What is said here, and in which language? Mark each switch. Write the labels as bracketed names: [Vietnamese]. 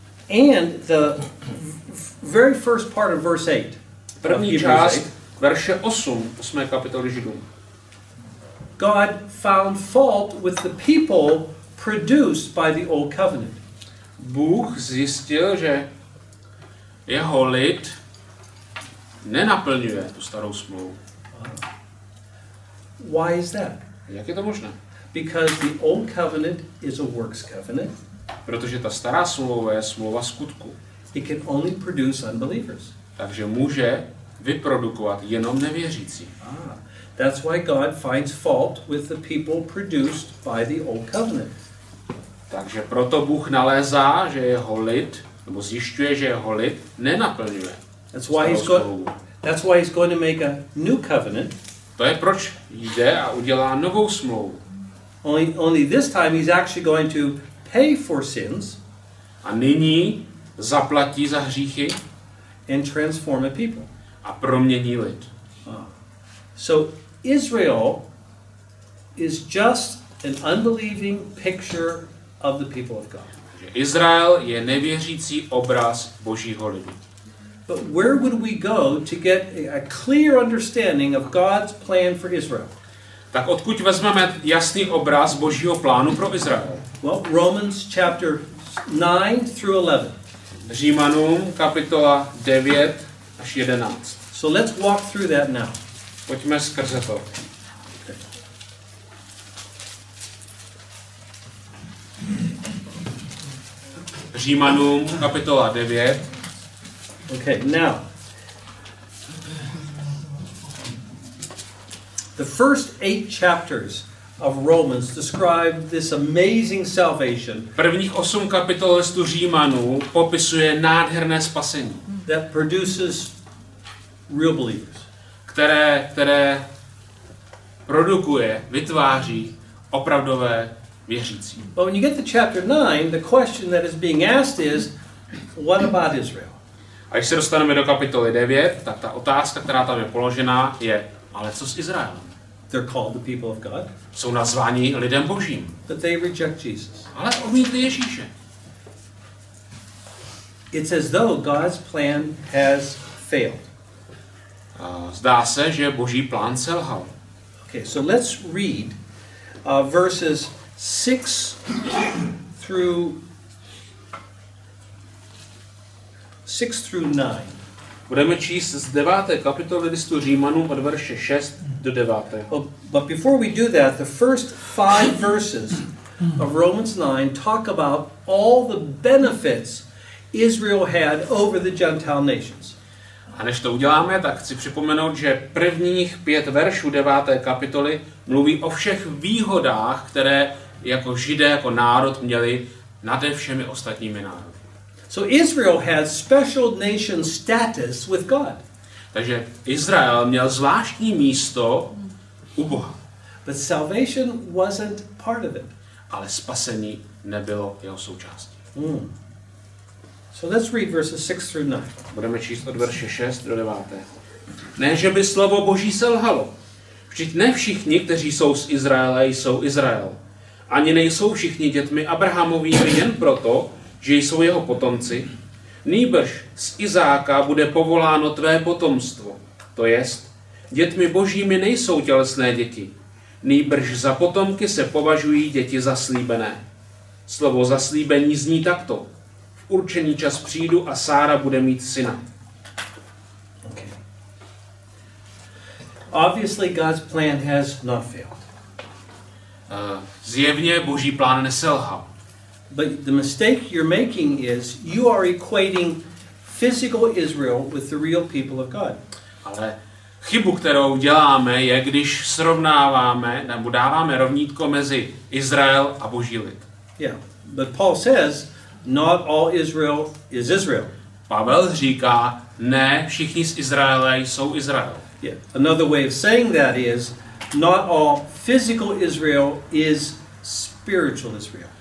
[English] And the very first part of verse 8. [Czech] První část verše 8. kapitoly Židům. [English] God found fault with the people produced by the old covenant. [Czech] Bůh zjistil, že jeho lid nenaplňuje tu starou smlouvu. [English] Why is that? [Czech] Jak je to možné? [English] Because the old covenant is a works covenant. [Czech] Protože ta stará smlouva je smlouva skutku. [English] It can only produce unbelievers. [Czech] Takže může vyprodukovat jenom nevěřící. [English] That's why God finds fault with the people produced by the old covenant. [Czech] Takže proto Bůh nalézá, že jeho lid, nebo zjišťuje, že jeho lid nenaplňuje. [English] That's why he's going to make a new covenant. [Czech] To je proč jde a udělá novou smlouvu. [English] Only this time he's actually going to pay for sins. [Czech] A nyní zaplatí za hříchy. [English] And transform a people. [Czech] A promění lid. [English] So Israel is just an unbelieving picture of the people of God. [Czech] Izrael je nevěřící obraz Božího lidu. [English] But where would we go to get a clear understanding of God's plan for Israel? [Czech] Tak odkud vezmeme jasný obraz Božího plánu pro Izrael? [English] Well, Romans chapter 9 through 11. [Czech] Římanům kapitola 9 až 11. [English] So let's walk through that now. [Czech] Pojďme skrze to. Římanům kapitola 9. [English] Okay, now. The first 8 chapters of Romans describe this amazing salvation. [Czech] Prvních 8 kapitol listu Římanů popisuje nádherné spasení. [English] That produces real believers. [Czech] Které produkuje, vytváří opravdové věřící. [English] But when you get to chapter 9, the question that is being asked is, what about Israel? [Czech] A když se dostaneme do kapitoly 9, tak ta otázka, která tam je položená, je, ale co s Izraelem? [English] They're called the people of God. [Czech] Jsou nazváni lidem Božím. [English] But they reject Jesus. [Czech] Ale odmítli Ježíše. [English] It's as though God's plan has failed. [Czech] Zdá se, že Boží plán selhal. [English] Okay, so let's read verses 6 through 9. [Czech] Budeme číst z 9. kapitoly listu Římanů od verše 6 do 9. [English] But before we do that, the first 5 verses of Romans 9 talk about all the benefits Israel had over the Gentile nations. [Czech] A než to uděláme, tak chci připomenout, že prvních 5 veršů 9. kapitoly mluví o všech výhodách, které jako Židé, jako národ měli nad všemi ostatními národy. [English] So Israel had special nation status with God. [Czech] Takže Izrael měl zvláštní místo u Boha. [English] But salvation wasn't part of it. [Czech] Ale spasení nebylo jeho součástí. Hmm. [English] So let's read verses 6 through 9. [Czech] Budeme číst od verše 6 do 9. Ne, že by slovo Boží selhalo. Vždyť ne všichni, kteří jsou z Izraele, jsou Izrael. Ani nejsou všichni dětmi Abrahamovými jen proto, že jsou jeho potomci, nýbrž z Izáka bude povoláno tvé potomstvo, to jest, dětmi Božími nejsou tělesné děti, nýbrž za potomky se považují děti zaslíbené. Slovo zaslíbení zní takto, v určený čas přijdu a Sára bude mít syna. [English] Okay. Obviously God's plan has not failed. [Czech] Zjevně Boží plán neselhal. [English] But the mistake you're making is you are equating physical Israel with the real people of God. [Czech] Ale chybu, kterou děláme, je, když srovnáváme nebo dáváme rovnítko mezi Izrael a Boží lid. [English] Yeah, but Paul says not all Israel is Israel. [Czech] Pavel říká, ne všichni z Izraele jsou Izrael. [English] Yeah, another way of saying that is not all physical Israel is spiritual Israel.